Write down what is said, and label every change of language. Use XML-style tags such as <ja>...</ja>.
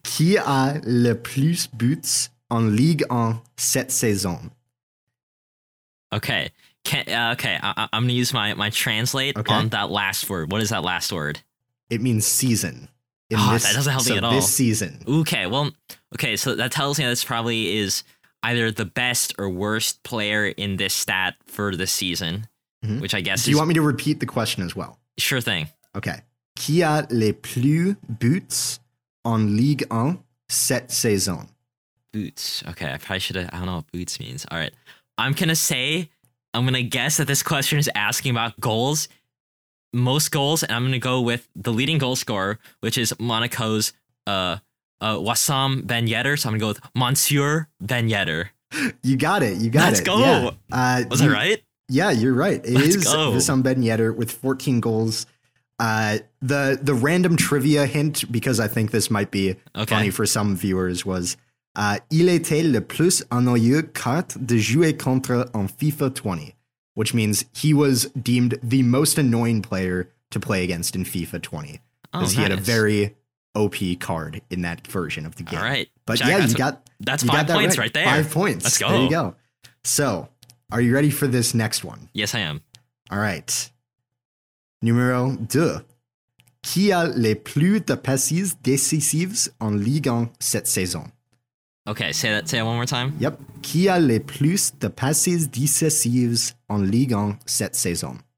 <fr>Qui a le plus buts en Ligue 1 cette saison?</fr> <en>Okay. I'm going to use my translate on that last word. What is that last word? It means season. That doesn't help me at all. This season. Okay. Well, okay. So that tells me this probably is either the best or worst player in this stat for the season, which I guess Do you want me to repeat the question as well? Sure thing. Okay.</en> <fr>Qui a le plus buts en Ligue 1 cette saison?</fr> <en>Buts. Okay. I probably should have. I don't know what buts means. All right. I'm going to guess that this question is asking about goals, most goals, and I'm going to go with the leading goal scorer, which is Monaco's Wassam Ben Yedder. So I'm going to go with Monsieur Ben Yedder. You got it. You got Let's it. Let's go. Yeah. Was I right? Yeah, you're right. It Let's is Wassam Ben Yedder with 14 goals. The random trivia hint, because I think this might be funny for some viewers, was</en> <fr>il était le plus ennuyeux carte de jouer contre en FIFA 20,</fr> <en>which means he was deemed the most annoying player to play against in FIFA 20 because he had a very OP card in that version of the game. All right. But Jack, yeah, you got five points right there. 5 points. Let's go. There you go. So are you ready for this next one? Yes, I am. All right. Numéro 2.</en> <fr>Qui a les plus de passes décisives en Ligue 1 cette saison?</fr> <en>Okay, say that one more time. Yep.</en> <fr>Qui a le plus de passes décisives en Ligue 1 cette saison?</fr>